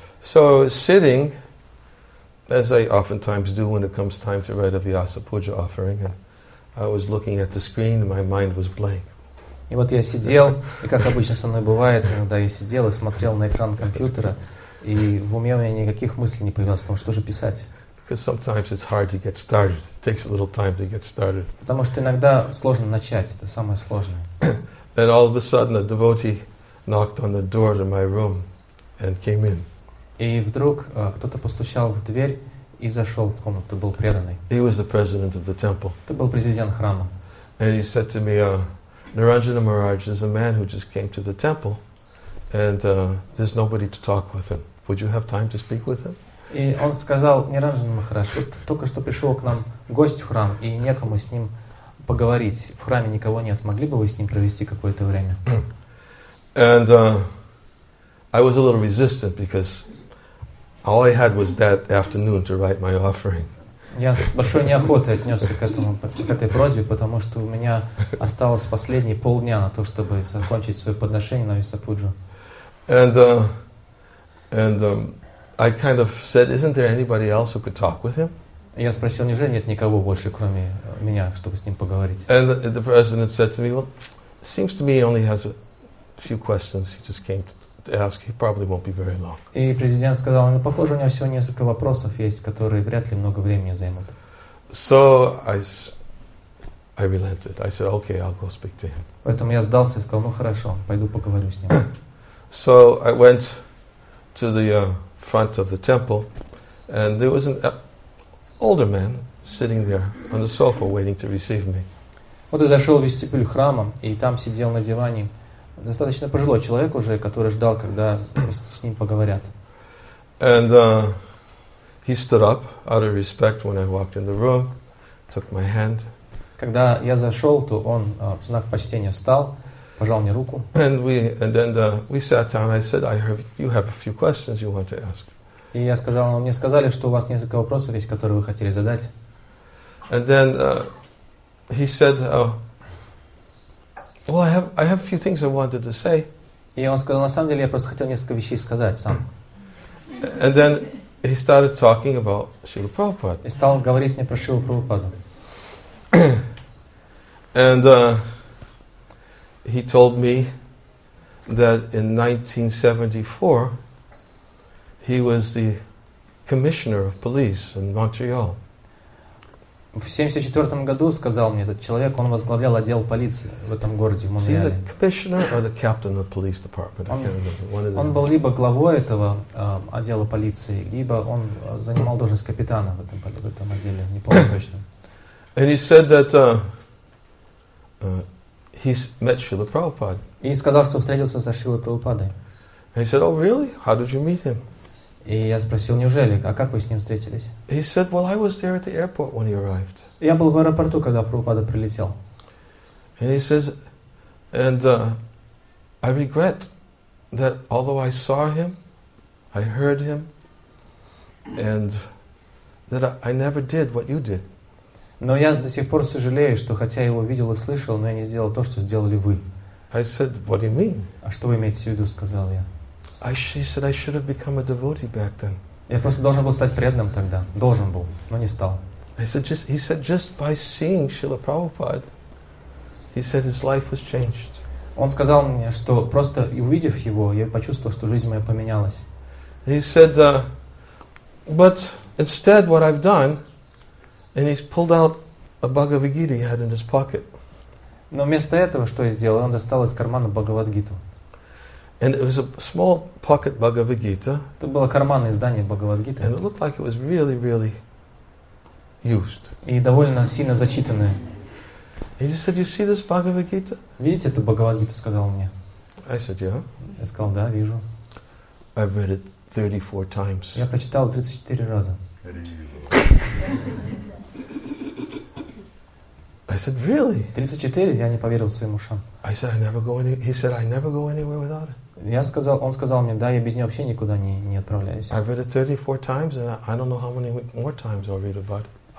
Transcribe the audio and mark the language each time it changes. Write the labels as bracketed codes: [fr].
[en] So, sitting, as I oftentimes do when it comes time to write a Vyasa Puja offering, I was looking at the screen, my mind was blank. [ru] И вот я сидел, и как обычно со мной бывает, иногда я сидел и смотрел на экран компьютера, и в уме у меня никаких мыслей не появилось о том, что же писать. [en] Because sometimes it's hard to get started. It takes a little time to get started. [ru] Потому что иногда сложно начать, это самое сложное. [en] And all of a sudden a devotee knocked on the door to my room and came in. [ru] И вдруг кто-то постучал в дверь и зашел в комнату, был преданный. [en] He was the president of the temple. [ru] Это был президент храма. [en] And he said to me, Niranjana Maharaj is a man who just came to the temple. And there's nobody to talk with him. Would you have time to speak with him? [ru] И он сказал, Ниранджан Махарадж, вот только что пришел к нам гость в храм, и некому с ним поговорить. В храме никого нет. Могли бы вы с ним провести какое-то время? [en] And I was a little resistant because all I had was that afternoon to write my offering. [ru] Я с большой неохотой отнесся к этой просьбе, потому что у меня осталось последние полдня на то, чтобы закончить свое подношение на Vyasa Puja. [en] And I kind of said, isn't there anybody else who could talk with him? [ru] Я спросил, неужели нет никого больше, кроме меня, чтобы с ним поговорить? [en] And the president said to me, well, seems to me he only has a few questions he just came to ask. He probably won't be very long. [ru] И президент сказал, ну, похоже, у него всего несколько вопросов есть, которые вряд ли много времени займут. [en] So I relented. I said, okay, I'll go speak to him. [ru] Поэтому я сдался и сказал, ну, хорошо, пойду поговорю с ним. [en] So I went to the front of the temple, and there was an older man sitting there on the sofa waiting to receive me. [ru] Вот я зашел в вестибюль храма, и там сидел на диване достаточно пожилой человек уже, который ждал, когда с ним поговорят. [en] And he stood up out of respect when I walked in the room, took my hand. [ru] Когда я зашел, то он в знак почтения встал. Пожал мне руку. [en] And we sat down. I said, you have a few questions you want to ask. [ru] И я сказал, ну, мне сказали, что у вас несколько вопросов есть, которые вы хотели задать. [en] And then he said, well, I have a few things I wanted to say. [ru] И он сказал, на самом деле, я просто хотел несколько вещей сказать сам. [en] And then he started talking about Srila Prabhupada. [ru] И стал говорить мне про Шрилу Прабхупаду. [en] And he told me that in 1974 he was the commissioner of police in Montreal. [ru] В 1974 году сказал мне этот человек, он возглавлял отдел полиции в этом городе, в Монреале. [en] Is he the commissioner or the captain of the police department? [ru] Он был либо главой этого отдела полиции, либо он занимал должность капитана в этом отделе, не помню точно. [en] And he said that he's met Srila Prabhupada. [ru] И сказал, что встретился со Шрилой Прабхупадой. [en] And he said, oh really? How did you meet him? [ru] И я спросил, неужели, а как вы с ним встретились? [en] He said, well, I was there at the airport when he arrived. [ru] Я был в аэропорту, когда Прабхупада прилетел. [en] And he says, and I regret that although I saw him, I heard him, and that I never did what you did. [ru] Но я до сих пор сожалею, что хотя я его видел и слышал, но я не сделал то, что сделали вы. [en] I said, what do you mean? [ru] А что вы имеете в виду, сказал я. [en] He said, I should have become a devotee back then. [ru] Я просто должен был стать преданным тогда. Должен был, но не стал. [en] I said, just by seeing Srila Prabhupada, he said his life was changed. [ru] Он сказал мне, что просто увидев его, я почувствовал, что жизнь моя поменялась. [en] He said, but instead what I've done, and he's pulled out a Bhagavad Gita he had in his pocket. [ru] Но вместо этого, что я сделал, он достал из кармана Бхагавад-гиту. [en] And it was a small pocket Bhagavad Gita. [ru] Это было карманное издание Бхагавад-гиты. [en] And it looked like it was really, really used. [ru] И довольно сильно зачитанное. [en] He just said, "You see this Bhagavad Gita?" [ru] Видите эту Бхагавад-гиту? Сказал мне. [en] I said, "Yeah." [ru] Я сказал, да, вижу. [en] I've read it 34 times. [ru] Я прочитал 34 раза. [en] I said, really? [ru] 34? Я не поверил своим ушам. [en] I said, He said, I never go anywhere without it. [ru] Я сказал, он сказал мне, да, я без нее вообще никуда не отправляюсь. [en] I've read it 34 times, and I don't know how many more times I'll read about it.